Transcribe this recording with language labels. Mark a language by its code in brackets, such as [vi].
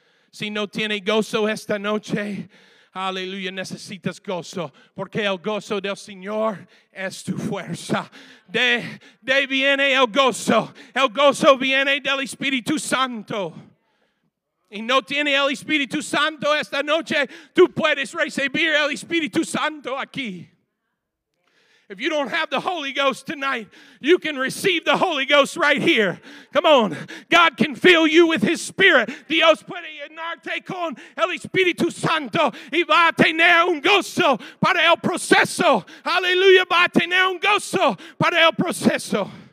[es] Si no tiene gozo esta noche, aleluya, necesitas gozo, porque el gozo del Señor es tu fuerza. De viene el gozo viene del Espíritu Santo. Y no tiene el Espíritu Santo esta noche, tú puedes recibir el Espíritu Santo aquí. [en] If you don't have the Holy Ghost tonight, you can receive the Holy Ghost right here. Come on. God can fill you with His Spirit. [es] Dios puede llenarte con el Espíritu Santo y va a tener un gozo para el proceso. Hallelujah. Va a tener un gozo para el proceso.